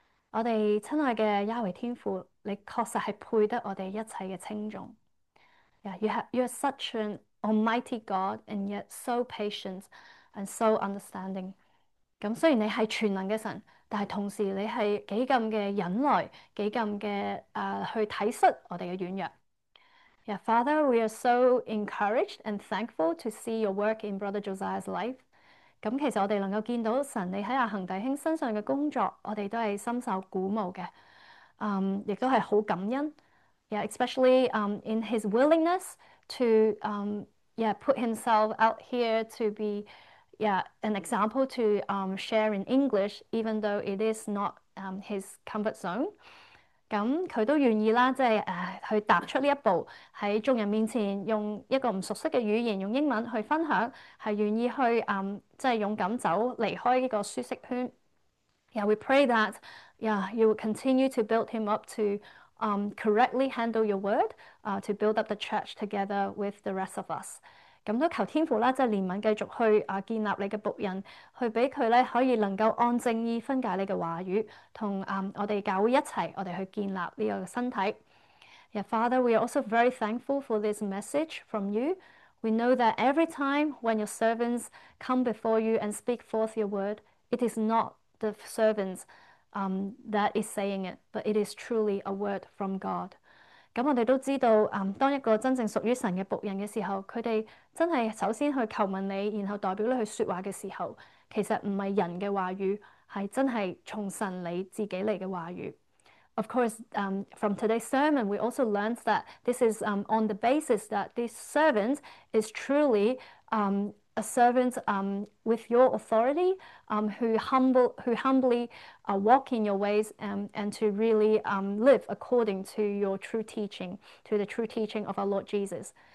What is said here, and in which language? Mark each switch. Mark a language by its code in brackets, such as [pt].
[yue] 我哋亲爱嘅耶和天父，你确实系配得我哋一切嘅称颂。 [en] Yeah，You're such an Almighty God, and yet so patient and so understanding. [yue] 咁虽然你系全能嘅神，但系同时你系几咁嘅忍耐，几咁嘅去体恤我哋嘅软弱。 [en] Yeah, Father, we are so encouraged and thankful to see your work in Brother Josiah's life. [yue] 咁其实我哋能够见到神你喺阿恒弟兄身上嘅工作，我哋都系深受鼓舞嘅。亦都系好感恩。 [en] Yeah, especially in his willingness to put himself out here to be an example to share in English, even though it is not his comfort zone. [yue] 咁佢都愿意啦，即系去踏出呢一步，喺众人面前用一个唔熟悉嘅语言，用英文去分享，系愿意去即系勇敢走离开呢个舒适圈。 [en] We pray that you will continue to build him up to correctly handle your word, to build up the church together with the rest of us. [yue] 咁都求天父啦，即系怜悯继续去建立你嘅仆人，去俾佢咧可以能够按正义分解你嘅话语，同我哋教会一齐，我哋去建立呢个身体。 [en] Father, we are also very thankful for this message from you. We know that every time when your servants come before you and speak forth your word, it is not the servants that is saying it, but it is truly a word from God. [yue] 咁我哋都知道，当一个真正属于神嘅仆人嘅时候，佢哋真系首先去求问你，然后代表你去说话嘅时候，其实唔系人嘅话语，系真系从神你自己嚟嘅话语。 [en] Of course, from today's sermon, we also learned that this is on the basis that this servant is truly a servant with your authority, who humbly walk in your ways, and to really live according to your true teaching, to the true teaching of our Lord Jesus.